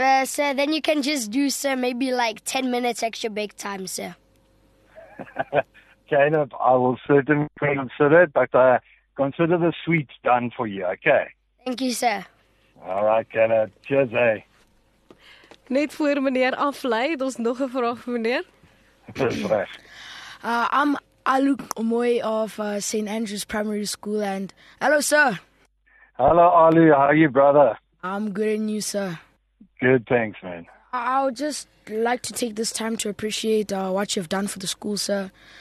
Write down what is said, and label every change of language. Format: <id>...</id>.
<en>Sir, then you can just do, sir, maybe like 10 minutes extra break time, sir. Caleb, I will certainly consider it, but consider the sweet done for you, okay? Thank you, sir. All right, Caleb. Cheers, eh?</en> <af>Net voor meneer aflei, het ons nog een vraag voor meneer. Dat is recht.</af> <en>I'm Aluk Omoy of St. Andrew's Primary School, and hello, sir. Hello, Alu. How are you, brother? I'm good, and you, sir? Good, thanks, man. I would just like to take this time to appreciate what you've done for the school, sir.</en>